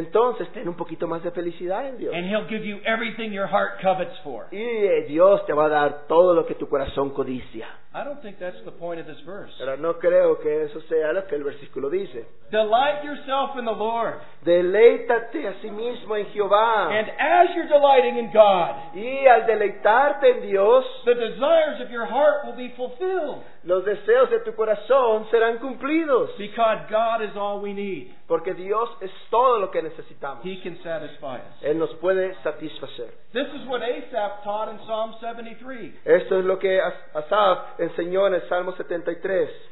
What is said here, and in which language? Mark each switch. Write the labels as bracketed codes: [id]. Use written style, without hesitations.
[es] Entonces ten un poquito más de felicidad en Dios. [en] And he'll give you everything your heart covets for. [es] Y Dios te va a dar todo lo que tu corazón codicia. [en] I don't think that's the point of this verse. [es] Pero no creo que eso sea lo que el versículo dice. [en] Delight yourself in the Lord. [es] Deleítate a sí mismo en Jehová. [en] And as you're delighting in God, [es] y al deleitarte en Dios, [en] the desires of your heart will be fulfilled. [es] Los deseos de tu corazón serán cumplidos. [en] Because God is all we need. [es] Porque Dios es todo lo que necesitamos. [en] He can satisfy us. [es] Él nos puede satisfacer. [en] This is what Asaph taught in Psalm 73. [es] Esto es lo que Asaph enseñó en el Salmo 73.